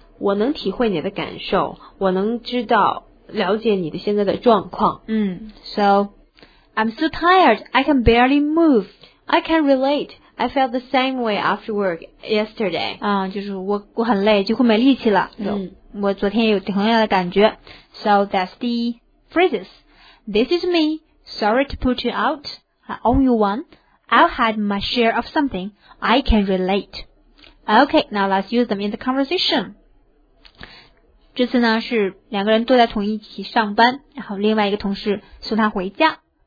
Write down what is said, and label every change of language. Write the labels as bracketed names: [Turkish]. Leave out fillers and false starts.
[Chinese] 我能体会你的感受，我能知道了解你的现在的状况。 [English] So I'm so tired, I can barely move. I can relate. I felt the same way after work yesterday. [Chinese] 就是我很累，几乎没力气了。 [English] 我昨天有同样的感觉。 So that's the phrases. This is me. Sorry to put you out. I own you one. I've had my share of something. I can relate. Okay, now let's use them in the conversation. [Chinese] 这次呢是两个人都在同一起上班，然后另外一个同事送他回家。